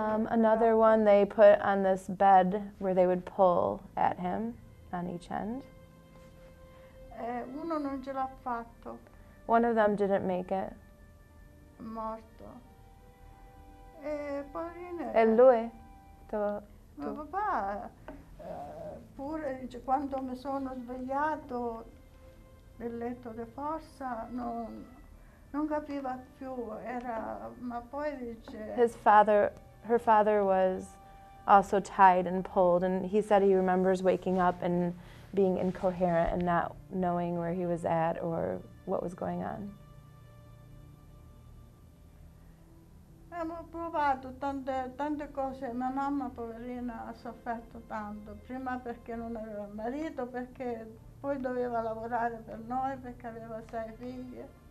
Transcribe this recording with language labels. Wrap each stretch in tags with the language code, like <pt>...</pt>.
<en>Another one they put on this bed where they would pull at him on each end.</en> <it>Uno non ce l'ha fatto.</it> <en>One of them didn't make it.</en> <it>Morto. E lui? Mio papà, pure dice, quando mi sono svegliato nel letto di forza, non capiva più, era, ma poi dice...</it> <en>Her father was also tied and pulled, and he said he remembers waking up and being incoherent and not knowing where he was at or what was going on.</en> <it>Abbiamo provato tante cose. Mia mamma, poverina, ha sofferto tanto. Prima perché non aveva marito, perché poi doveva lavorare per noi, perché aveva sei figlie.</it>